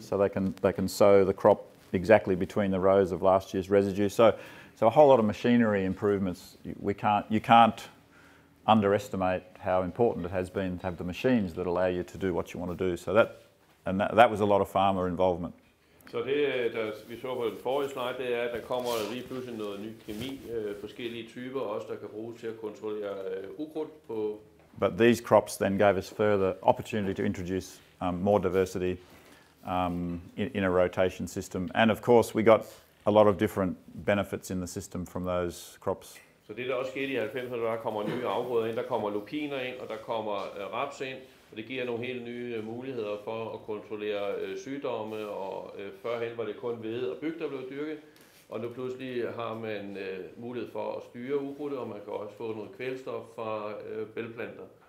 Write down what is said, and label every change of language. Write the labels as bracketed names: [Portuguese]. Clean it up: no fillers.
[English] So they can sow the crop exactly between the rows of last year's residue. So a whole lot of machinery improvements. You can't underestimate how important it has been to have the machines that allow you to do what you want to do. So that, and that was a lot of farmer involvement. [Danish] Så det, der vi så på den forrige slide, det er, at der kommer lige pludselig noget ny kemi, forskellige typer også, der kan bruges til at kontrollere ukrudt på. [English] But these crops then gave us further opportunity to introduce more diversity in a rotation system. And of course, we got a lot of different benefits in the system from those crops. [Danish] Så det, der også skete i 90'erne, der kommer nye afgrøder ind, der kommer lupiner ind, og der kommer raps ind. Og det giver nogle helt nye muligheder for at kontrollere sygdomme, og førhen var det kun hvede og byg, der blev dyrket. Og nu pludselig har man mulighed for at styre ukrudtet, og man kan også få noget kvælstof fra bælgplanter.